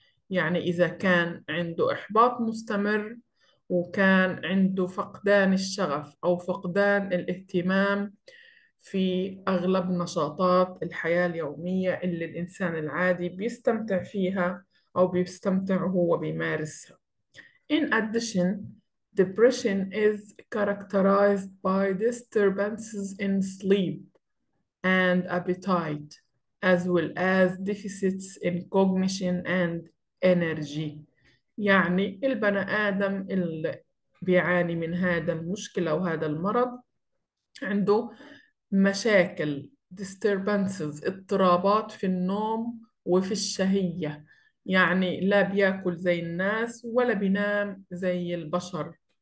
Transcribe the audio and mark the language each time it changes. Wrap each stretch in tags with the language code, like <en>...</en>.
<ar>يعني إذا كان عنده إحباط مستمر، وكان عنده فقدان الشغف أو فقدان الاهتمام في أغلب نشاطات الحياة اليومية اللي الإنسان العادي بيستمتع فيها أو بيستمتع وهو بيمارسها.</ar> <en>In addition, depression is characterized by disturbances in sleep and appetite, as well as deficits in cognition and energy.</en> <ar>يعني البني آدم اللي بيعاني من هذا المشكلة أو هذا المرض عنده مشاكل disturbances، اضطرابات في النوم وفي الشهية. يعني لا بياكل زي الناس ولا بينام زي البشر.</ar>